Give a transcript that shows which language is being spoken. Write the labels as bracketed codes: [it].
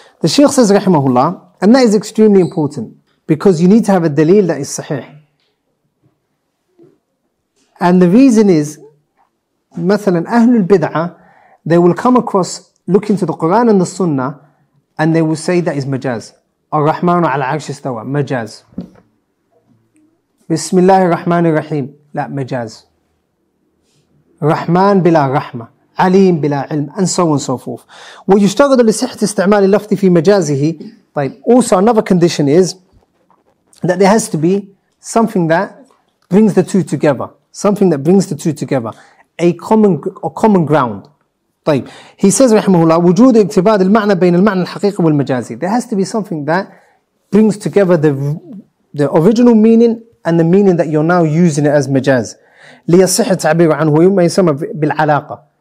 [en] The Sheikh says رحمه الله, and that is extremely important because you need to have a dalil that is sahih. And the reason is, [ar] مثلا أهل البدعة, [en] they will come across looking to the Quran and the Sunnah and they will say that is majaz. [ar] الرحمن على عرش استوى, مجاز. بسم الله الرحمن الرحيم, لا مجاز. رحمن بلا رحمة, عليم بلا علم, [en] and so on and so forth. [ar] ويشتغل لصحة استعمال اللفظ في مجازه. طيب, [en] also another condition is that there has to be something that brings the two together, something that brings the two together, a common ground. [ar] طيب, [en] he says [ar] رحمه الله وجود اقتباد المعنى بين المعنى الحقيقي والمجازي. [en] There has to be something that brings together the original meaning and the meaning that you're now using it as مجاز. [ar] ليصح التعبير عنه ما يسمى بالعلاقة.